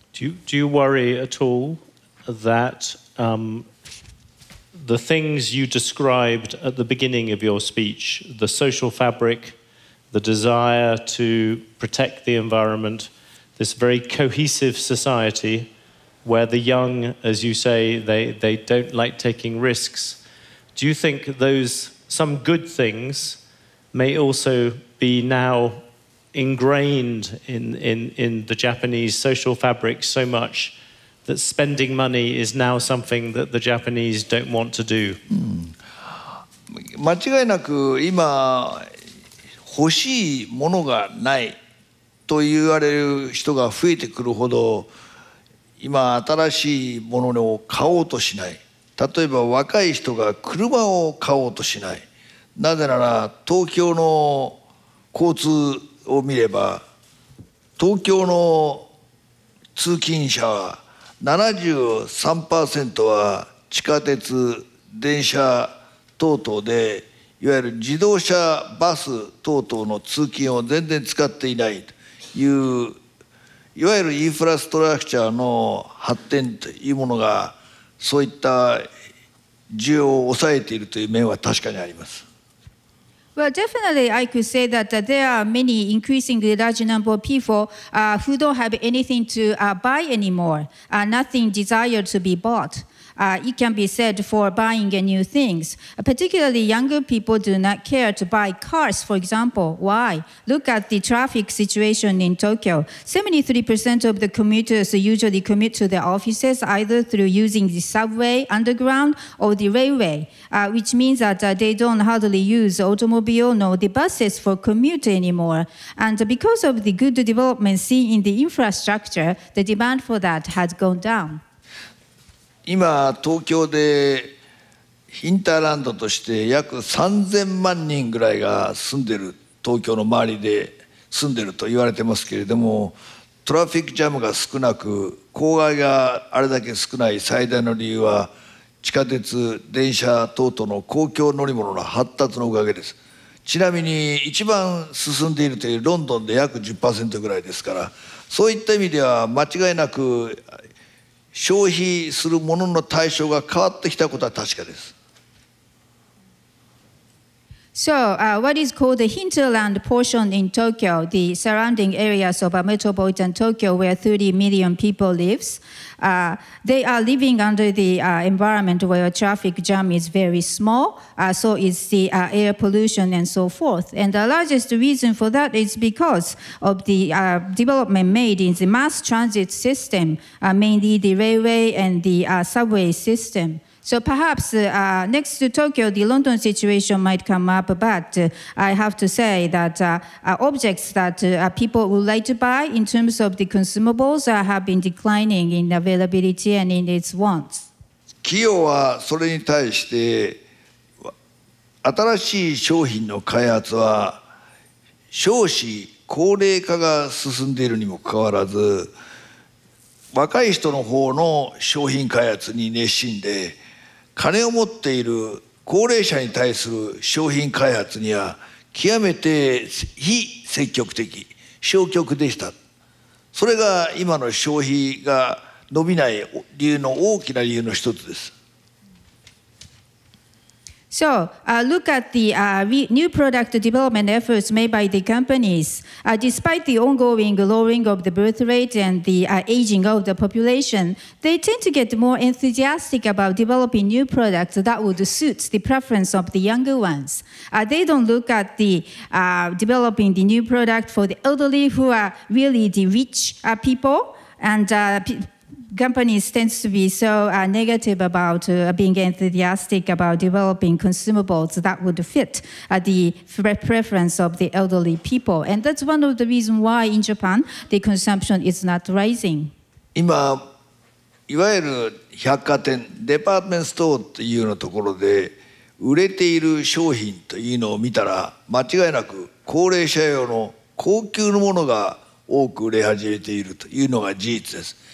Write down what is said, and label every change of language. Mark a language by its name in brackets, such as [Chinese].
[English] Do you worry at all that the things you described at the beginning of your speech, the social fabric, the desire to protect the environment, this very cohesive society where the young, as you say, they don't like taking risks, do you think those... some good things may also be now ingrained in the Japanese social fabric so much that spending money is now something that the Japanese don't want to do? [Japanese] 間違いなく今欲しいものがないと言われる人が増えてくるほど、今新しいものを買おうとしない。例えば若い人が車を買おうとしない。なぜなら東京の交通を見れば、東京の通勤者は 73% は地下鉄、電車等々で、いわゆる自動車、バス等々の通勤を全然使っていないという、いわゆるインフラストラクチャーの発展というものがそういった需要を抑えているという面は確かにあります。 [English] Well, definitely, I could say that there are many increasingly large number of people who don't have anything to buy anymore, nothing desired to be bought. It can be said for buying new things. Particularly, younger people do not care to buy cars, for example. Why? Look at the traffic situation in Tokyo. 73% of the commuters usually commute to their offices either through using the subway, underground, or the railway. Which means that they don't hardly use automobile nor the buses for commute anymore. And because of the good development seen in the infrastructure, the demand for that has gone down. [Japanese] 今東京でインターランドとして約3000万人ぐらいが住んでる、東京の周りで住んでると言われてますけれども、トラフィックジャムが少なく公害があれだけ少ない最大の理由は地下鉄、電車等々の公共乗り物の発達のおかげです。ちなみに一番進んでいるというロンドンで約 10% ぐらいですから、そういった意味では間違いなく消費するものの対象が変わってきたことは確かです。 [English] So, what is called the hinterland portion in Tokyo, the surrounding areas of metropolitan Tokyo where 30 million people live, they are living under the environment where traffic jam is very small, so is the air pollution and so forth. And the largest reason for that is because of the development made in the mass transit system, mainly the railway and the subway system. So perhaps next to Tokyo, the London situation might come up, but I have to say that objects that people would like to buy in terms of the consumables have been declining in availability and in its wants. [Japanese] 企業はそれに対して新しい商品の開発は少子高齢化が進んでいるにもかかわらず若い人の方の商品開発に熱心で金を持っている高齢者に対する商品開発には極めて非積極的、消極でした。それが今の消費が伸びない理由の大きな理由の一つです。 [English] So, look at the new product development efforts made by the companies. Despite the ongoing lowering of the birth rate and the aging of the population, they tend to get more enthusiastic about developing new products that would suit the preference of the younger ones. They don't look at the developing the new product for the elderly who are really the rich people, and companies tend to be so negative about being enthusiastic about developing consumables that would fit the preference of the elderly people. And that's one of the reasons why in Japan the consumption is not rising. [Japanese] 今、いわゆる百貨店、デパートメントストアというのところで売れている商品というのを見たら間違いなく高齢者用の高級のものが多く売れ始めているというのが事実です。